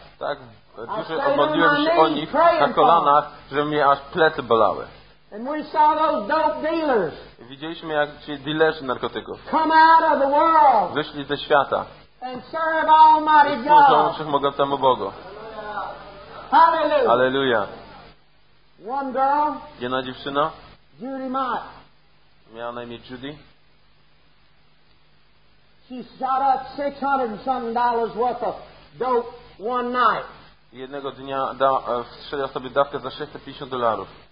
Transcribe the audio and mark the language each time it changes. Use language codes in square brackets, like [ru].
[pl] Tak, duże obmodliłem się o nich na kolanach, że mnie aż plecy bolały. [en] And we saw those dope dealers. [pl] Widzieliśmy, jak ci dealerzy narkotyków [en] come out of the world. [pl] Wyszli ze świata. [en] And serve Almighty God. [pl] I służą wszechmogącemu Bogu. Hallelujah. Hallelujah. [en] One girl. [pl] Jedna dziewczyna. [en] Judy Mott. [pl] Miała na imię Judy. [en] She shot up $600 and something worth of dope one night. [pl] Jednego dnia wstrzeliła sobie dawkę za $650.